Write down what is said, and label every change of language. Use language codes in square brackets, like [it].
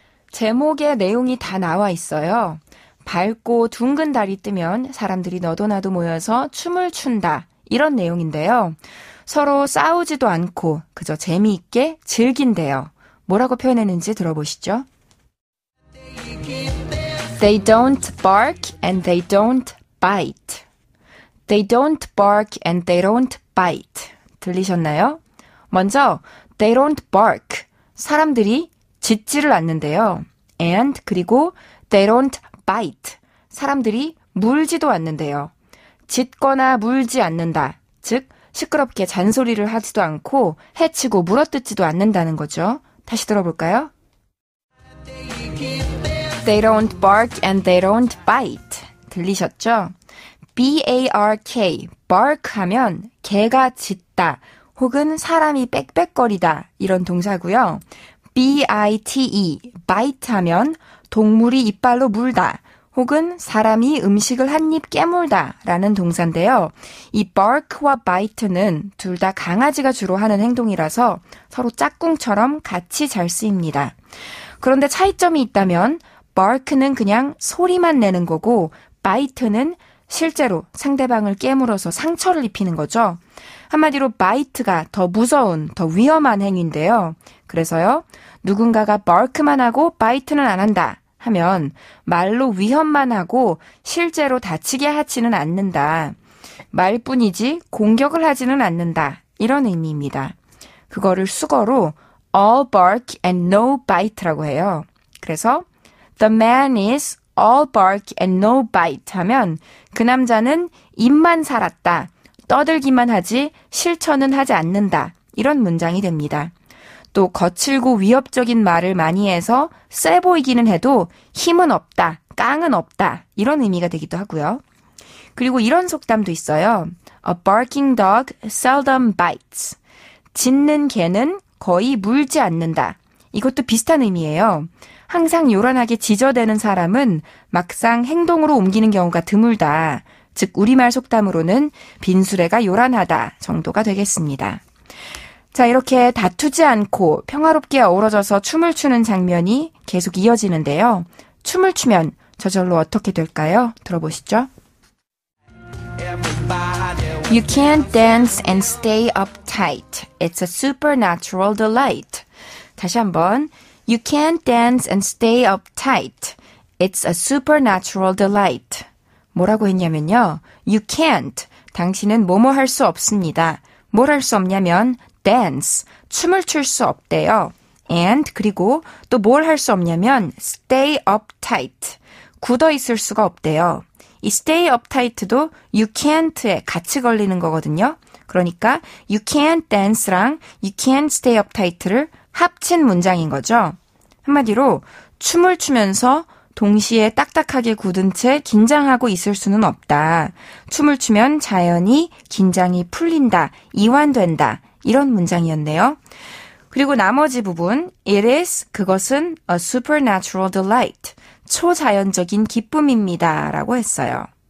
[ko] 제목의 내용이 다 나와 있어요. 밝고 둥근 달이 뜨면 사람들이 너도 나도 모여서 춤을 춘다. 이런 내용인데요. 서로 싸우지도 않고 그저 재미있게 즐긴대요. 뭐라고 표현했는지 들어보시죠. [en] They don't bark and they don't bite. They don't bark and they don't bite. [ko] 들리셨나요? 먼저 [en] they don't bark. [ko] 사람들이 짖지를 않는데요. [en] And [ko] 그리고 [en] they don't bite. [ko] 사람들이 물지도 않는데요. 짖거나 물지 않는다. 즉 시끄럽게 잔소리를 하지도 않고 해치고 물어뜯지도 않는다는 거죠. 다시 들어볼까요? [en] They don't bark and they don't bite. [ko] 들리셨죠? B-A-R-K, bark 하면 개가 짖다 혹은 사람이 빽빽거리다 이런 동사고요. B-I-T-E, bite 하면 동물이 이빨로 물다 혹은 사람이 음식을 한입 깨물다 라는 동사인데요. 이 bark와 bite는 둘 다 강아지가 주로 하는 행동이라서 서로 짝꿍처럼 같이 잘 쓰입니다. 그런데 차이점이 있다면 bark는 그냥 소리만 내는 거고 bite는 실제로 상대방을 깨물어서 상처를 입히는 거죠. 한마디로 bite가 더 무서운, 더 위험한 행위인데요. 그래서요, 누군가가 bark만 하고 bite는 안 한다 하면 말로 위협만 하고 실제로 다치게 하지는 않는다. 말뿐이지 공격을 하지는 않는다. 이런 의미입니다. 그거를 수거로 [en] all bark and no bite [ko] 라고 해요. 그래서 [en] the man is all bark and no bite [ko] 하면 그 남자는 입만 살았다. 떠들기만 하지 실천은 하지 않는다. 이런 문장이 됩니다. 또 거칠고 위협적인 말을 많이 해서 쎄 보이기는 해도 힘은 없다, 깡은 없다 이런 의미가 되기도 하고요. 그리고 이런 속담도 있어요. [en] A barking dog seldom bites. [ko] 짖는 개는 거의 물지 않는다. 이것도 비슷한 의미예요. 항상 요란하게 짖어대는 사람은 막상 행동으로 옮기는 경우가 드물다. 즉 우리말 속담으로는 빈수레가 요란하다 정도가 되겠습니다. 자, 이렇게 다투지 않고 평화롭게 어우러져서 춤을 추는 장면이 계속 이어지는데요. 춤을 추면 저절로 어떻게 될까요? 들어보시죠. [en] You can't dance and stay uptight. It's a supernatural delight. [ko] 다시 한번. [en] You can't dance and stay uptight. It's a supernatural delight. [ko] 뭐라고 했냐면요. [en] You can't. [ko] 당신은 뭐뭐 할 수 없습니다. 뭘 할 수 없냐면 dance, 춤을 출 수 없대요. And, 그리고 또 뭘 할 수 없냐면 stay uptight, 굳어 있을 수가 없대요. 이 stay uptight도 you can't에 같이 걸리는 거거든요. 그러니까 [en] you can't dance [ko] 랑 [en] you can't stay uptight [ko] 를 합친 문장인 거죠. 한마디로 춤을 추면서 동시에 딱딱하게 굳은 채 긴장하고 있을 수는 없다. 춤을 추면 자연히 긴장이 풀린다, 이완된다. 이런 문장이었네요. 그리고 나머지 부분, It is, 그것은 [en] a supernatural delight, [ko] 초자연적인 기쁨입니다. 라고 했어요.